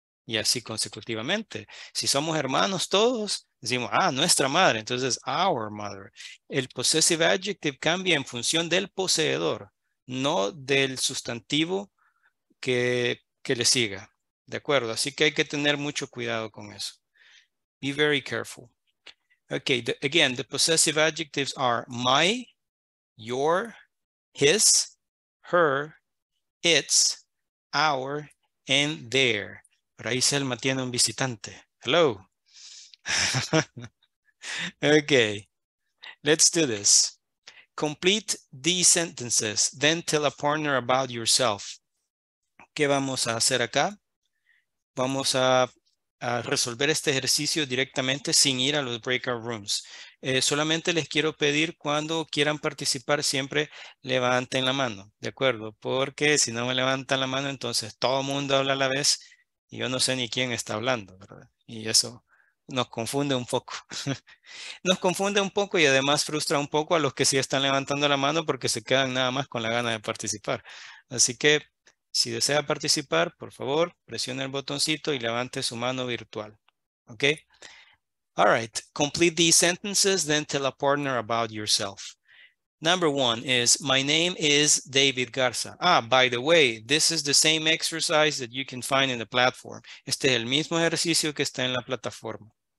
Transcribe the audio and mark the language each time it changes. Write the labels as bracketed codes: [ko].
[es] Y así consecutivamente. Si somos hermanos todos, decimos, ah, nuestra madre. Entonces, [en] our mother. [es] El possessive adjective cambia en función del poseedor. No del sustantivo que le siga. ¿De acuerdo? Así que hay que tener mucho cuidado con eso. [en] Be very careful. Okay, again, the possessive adjectives are my, your, his, her, its, our, and their. [es] Por ahí Selma tiene un visitante. Hello. [en] Okay, let's do this. Complete these sentences, then tell a partner about yourself. [es] ¿Qué vamos a hacer acá? Vamos a resolver este ejercicio directamente sin ir a los breakout rooms. Solamente les quiero pedir cuando quieran participar siempre levanten la mano, ¿de acuerdo? Porque si no me levantan la mano, entonces todo mundo habla a la vez y yo no sé ni quién está hablando, ¿verdad? Y eso nos confunde un poco. Nos confunde un poco y además frustra un poco a los que sí están levantando la mano porque se quedan nada más con la gana de participar. Así que si desea participar, por favor, presione el botoncito y levante su mano virtual. ¿Ok? All right. [en] Complete these sentences, then tell a partner about yourself. Number one is, my name is David Garza. Ah, by the way, this is the same exercise that you can find in the platform. [es] Este es el mismo ejercicio que está en la plataforma.